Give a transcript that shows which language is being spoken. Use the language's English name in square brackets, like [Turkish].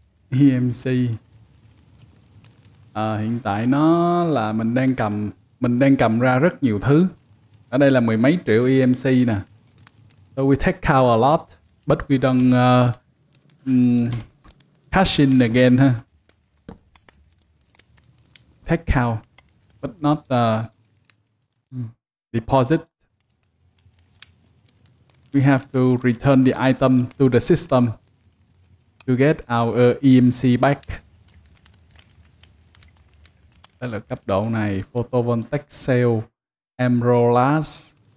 [Vietnamese] EMC à, hiện tại nó là mình đang cầm ra rất nhiều thứ. Ở đây là mười mấy triệu EMC nè. [English] So we take out a lot, but we don't cash in again, huh? Take out, but not deposit. We have to return the item to the system to get our EMC back. [Vietnamese] Đây là cấp độ này, photovoltaic cell, emerald glass.